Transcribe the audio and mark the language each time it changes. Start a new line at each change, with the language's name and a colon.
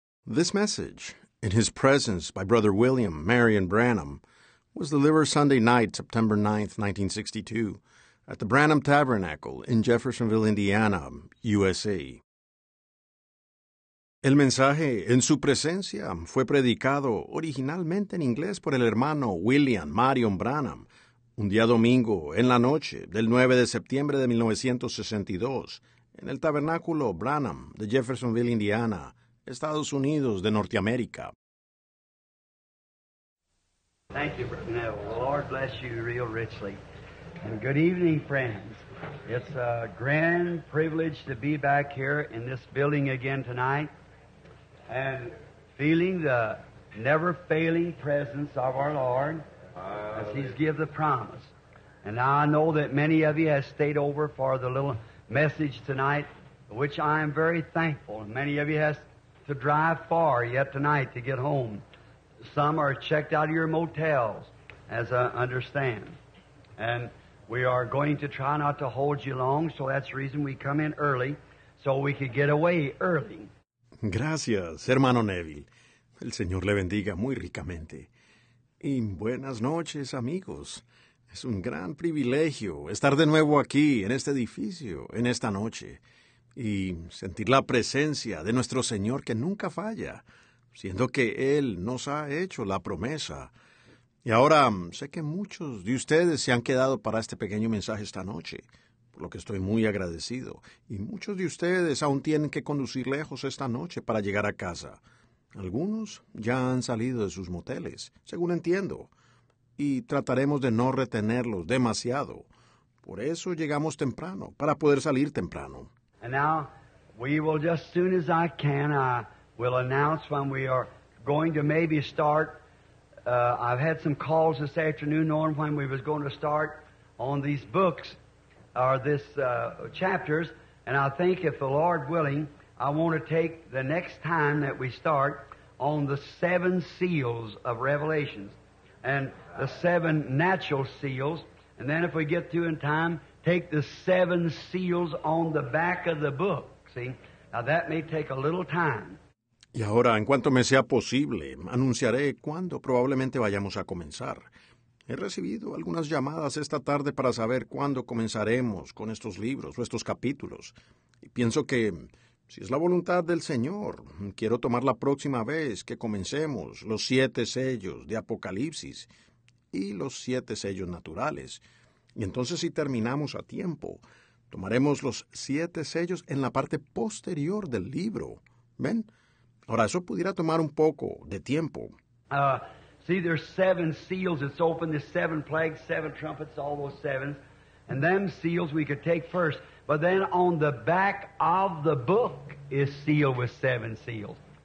English: This message, in his presence by Brother William Marion Branham, was delivered Sunday night, September 9, 1962, at the Branham Tabernacle in Jeffersonville, Indiana, USA.
Spanish: El mensaje, en su presencia, fue predicado originalmente en inglés por el hermano William Marion Branham, un día domingo en la noche del 9 de septiembre de 1962, en el Tabernáculo Branham de Jeffersonville, Indiana, Estados Unidos de Norteamérica.
English: Thank you, Brother Neville. The Lord bless you real richly. And good evening, friends. It's a grand privilege to be back here in this building again tonight and feeling the never-failing presence of our Lord as He's given the promise. And I know that many of you have stayed over for the little message tonight, which I am very thankful. Many of you have to drive far yet tonight to get home. Some are checked out of your motels, as I understand. And we are going to try not to hold you long, so that's the reason we come in early, so we could get away early.
Spanish: Gracias, hermano Neville. El Señor le bendiga muy ricamente. Y buenas noches, amigos. Es un gran privilegio estar de nuevo aquí, en este edificio, en esta noche, y sentir la presencia de nuestro Señor que nunca falla, siendo que Él nos ha hecho la promesa. Y ahora sé que muchos de ustedes se han quedado para este pequeño mensaje esta noche, por lo que estoy muy agradecido. Y muchos de ustedes aún tienen que conducir lejos esta noche para llegar a casa. Algunos ya han salido de sus moteles, según entiendo, y trataremos de no retenerlos demasiado. Por eso llegamos temprano, para poder salir temprano.
English: And now, we will just as soon as I can, I will announce when we are going to maybe start. I've had some calls this afternoon knowing when we was going to start on these books or this chapters, and I think if the Lord willing, I want to take the next time that we start on the seven seals of Revelation and the seven natural seals. And then if we get through in time, take the seven seals on the back of the book. See, now that may take a little time.
Spanish: Y ahora, en cuanto me sea posible, anunciaré cuándo probablemente vayamos a comenzar. He recibido algunas llamadas esta tarde para saber cuándo comenzaremos con estos libros o estos capítulos. Y pienso que, si es la voluntad del Señor, quiero tomar la próxima vez que comencemos los siete sellos de Apocalipsis y los siete sellos naturales. Y entonces, si terminamos a tiempo, tomaremos los siete sellos en la parte posterior del libro. ¿Ven? Ahora, eso pudiera tomar un poco de tiempo.
English: See, there's seven seals. It's open. There's seven plagues, seven trumpets, all those sevens. And them seals we could take first. But then on the back of the book is sealed with seven seals.